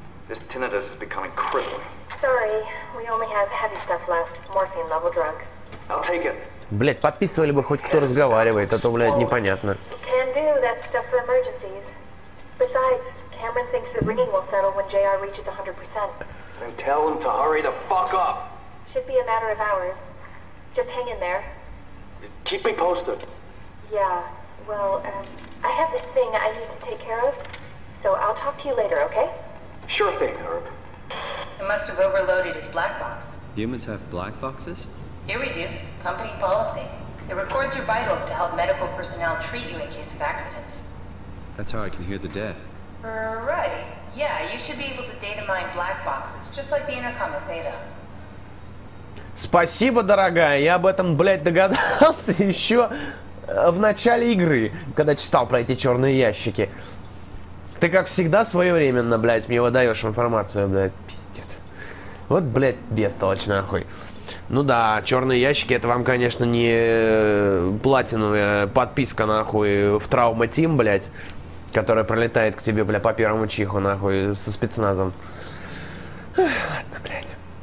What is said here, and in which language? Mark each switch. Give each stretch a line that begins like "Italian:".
English: This tinnitus is becoming crippling. Sorry, we only have heavy stuff left. Morphine level drugs. I'll take it.
Russian: Блядь, подписывали бы хоть кто разговаривает, а то, блядь, непонятно.
English: Can do, that stuff for emergencies. Besides, Cameron thinks the ringing will settle when JR reaches 100%. Then tell him to hurry the fuck up. Should be a matter of hours. Just hang in there. Keep me posted. Yeah, well, I have this thing I need to take care of. So I'll talk to you later, okay? Sure thing, Herb. It must have overloaded his black box. Humans have black boxes? Here we do. Company policy. It records your vitals to help medical personnel treat you in case of accidents. That's how I can hear the dead. Right. Yeah, you should be able to data mine black boxes, just like the intercom of Theta.
Russian: Спасибо, дорогая. Я об этом, блядь, догадался еще в начале игры, когда читал про эти черные ящики. Ты, как всегда, своевременно, блядь, мне выдаешь информацию, блядь, пиздец. Вот, блядь, бестолочь, нахуй. Ну да, черные ящики, это вам, конечно, не платиновая подписка, нахуй, в Trauma Team, блядь, которая пролетает к тебе, бля, по первому чиху, нахуй, со спецназом. Эх, ладно, блядь.